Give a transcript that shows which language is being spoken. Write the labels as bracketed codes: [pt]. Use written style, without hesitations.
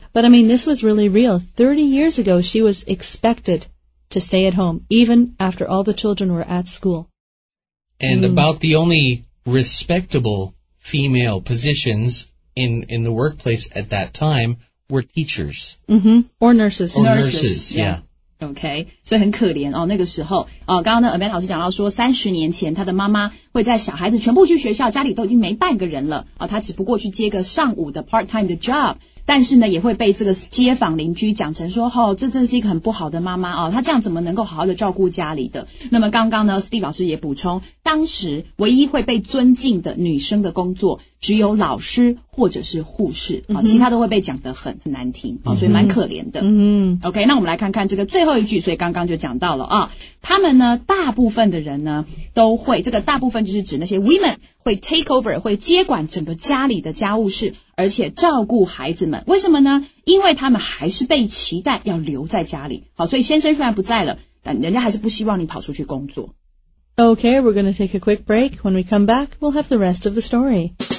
[en] But, I mean, this was really real. 30 years ago, she was expected to stay at home, even after all the children were at school. And about the only respectable female positions in the workplace at that time were teachers. Or nurses. Or nurses, yeah. [zh] OK, 所以很可怜哦，那个时候哦，刚刚呢 ，Amanda 老师讲到说，30年前她的妈妈会在小孩子全部去学校，家里都已经没半个人了哦，她只不过去接个上午的 part-time 的 job， 但是呢，也会被这个街坊邻居讲成说，哦，这真是一个很不好的妈妈哦，她这样怎么能够好好的照顾家里的？那么刚刚呢 ，Steve 老师也补充，当时唯一会被尊敬的女生的工作只有老师或者是护士、哦、其他都会被讲得很难听、哦、所以蛮可怜的。 OK， 那我们来看看这个最后一句，所以刚刚就讲到了啊、哦，他们呢大部分的人呢都会，这个大部分就是指那些 women 会 take over，会接管整个家里的家务事，而且照顾孩子们。为什么呢？因为他们还是被期待要留在家里。好，所以先生虽然不在了，但人家还是不希望你跑出去工作。 [en] Okay, we're going to take a quick break. When we come back, we'll have the rest of the story.